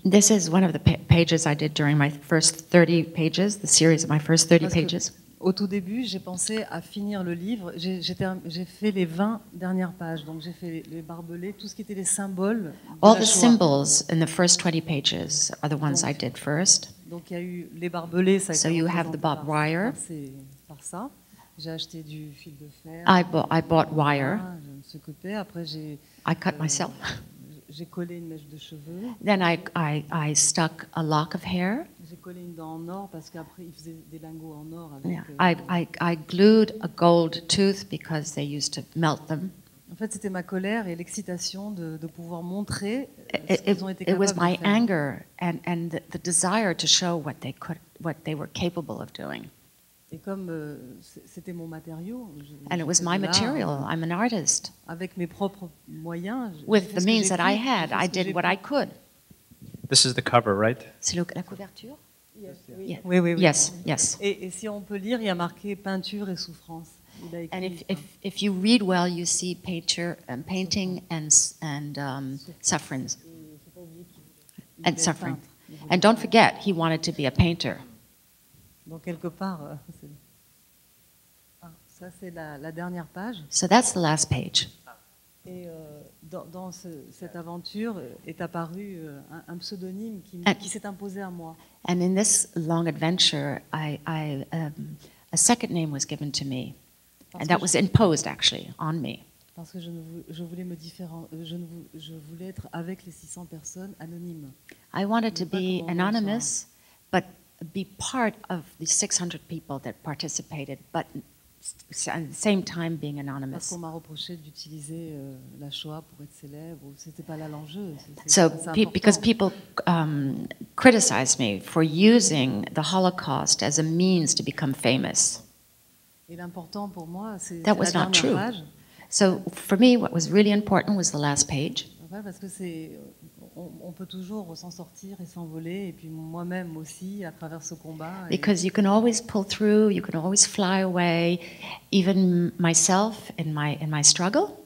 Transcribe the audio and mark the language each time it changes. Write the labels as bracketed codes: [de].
[en] This is one of the pages I did during my first 30 pages, the series of my first 30 pages. [fr] Au tout début, j'ai pensé à finir le livre. J'ai fait les 20 dernières pages, donc j'ai fait les barbelés, tout ce qui était les symboles. [en] All the symbols in the first 20 pages are the ones I did first. [fr] Donc il y a eu les barbelés. [en] So you have the barbed wire. [fr] C'est par ça. J'ai acheté du fil de fer. [en] I bought wire. [fr] Je me suis coupé. Après j'ai. [en] I cut myself. [fr] J'ai collé une mèche de cheveux. [en] Then I stuck a lock of hair. [fr] J'ai collé une dent en or parce qu'après ils faisaient des lingots en or. Avec [en] I glued a gold tooth because they used to melt them. [fr] En fait, c'était ma colère et l'excitation de pouvoir montrer ce qu'ils ont été capables de faire. [en] It was my anger and the desire to show what they were capable of doing. [fr] Et comme c'était mon matériau, [en] and it was my material. I'm an artist. [fr] Avec mes propres moyens, [en] with the means that I had, I did what I could. This is the cover, right? [fr] C'est la couverture? [en] Yes. Yeah. Oui. Yes, yes. [fr] Et si on peut lire, il y a marqué peinture et souffrance. Il a écrit, [en] and if you read well, you see painting and sufferings. And suffering. And don't forget, he wanted to be a painter. [fr] Donc quelque part, ça c'est la dernière page. [en] So that's the last page. [fr] Et dans cette aventure est apparu un pseudonyme qui s'est imposé à moi. [en] And in this long adventure, a second name was given to me, and that was imposed actually on me. [fr] Parce que je voulais être avec les 600 personnes anonymes. [en] I wanted to be anonymous, but be part of the 600 people that participated, but at the same time being anonymous. [fr] Parce qu'on m'a reproché d'utiliser la Shoah pour être célèbre, c'était pas là l'enjeu. [en] So, because people criticized me for using the Holocaust as a means to become famous. [fr] Et l'important pour moi, c'est [en] that was not true. [fr] Page. [en] So, for me, what was really important was the last page. [fr] Ouais, parce que c'est on peut toujours s'en sortir et s'envoler, et puis moi-même aussi, à travers ce combat. [en] Because you can always pull through, you can always fly away, even myself in my struggle.